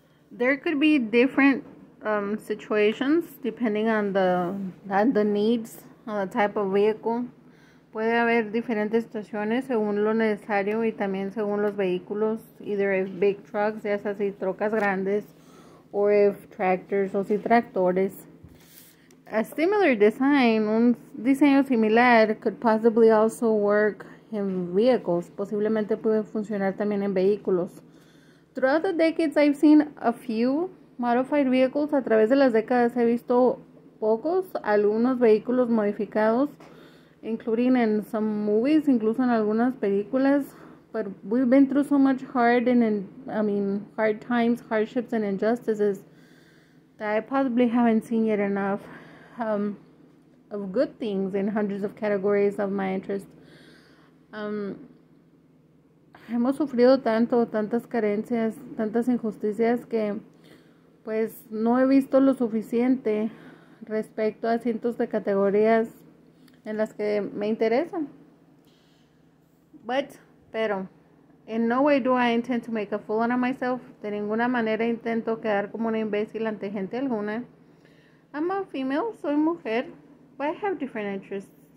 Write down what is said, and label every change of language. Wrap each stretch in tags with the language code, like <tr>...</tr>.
<en>There could be different situations depending on the needs on the type of vehicle.</en> <es>Puede haber diferentes situaciones según lo necesario y también según los vehículos.</es> <en>Either if big trucks,</en> <es>ya sea si trocas grandes,</es> <en>or if tractors</en> <es>o si tractores.</es> <en>A similar design,</en> <es>un diseño similar,</es> <en>could possibly also work in vehicles.</en> <es>Posiblemente puede funcionar también en vehículos.</es> <en>Throughout the decades, I've seen a few modified vehicles.</en> <es>A través de las décadas he visto pocos, algunos vehículos modificados,</es> <en>including in some movies,</en> <es>incluso en algunas películas.</es> <en>But we've been through so much hard times, hardships and injustices, that I probably haven't seen yet enough of good things in hundreds of categories of my interest.</en> <es>Hemos sufrido tanto, tantas carencias, tantas injusticias, que pues no he visto lo suficiente respecto a cientos de categorías en las que me interesan.</es> <en>Pero, in no way do I intend to make a fool out of myself.</en> <es>De ninguna manera intento quedar como una imbécil ante gente alguna.</es> <en>I'm a female,</en> <es>soy mujer,</es> <en>but I have different interests.</en>